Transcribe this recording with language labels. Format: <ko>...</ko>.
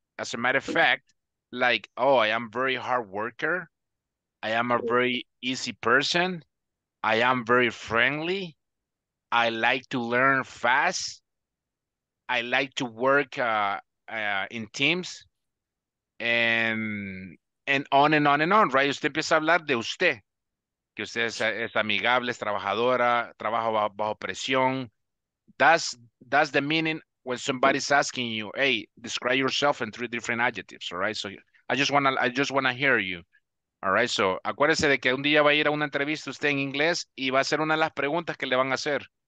<en>As a matter of fact, like, oh, I am very hard worker. I am a very easy person. I am very friendly. I like to learn fast. I like to work in teams, and on and on and on, right?</en> <es>Usted empieza a hablar de usted, que usted es amigable, es trabajadora, trabajo bajo presión.</es> <en>That's the meaning when somebody's asking you, hey, describe yourself in 3 different adjectives, all right? So I just wanna hear you, all right?</en> <es>So acuérdese de que un día va a ir a una entrevista usted en inglés y va a ser una de las preguntas que le van a hacer.</es>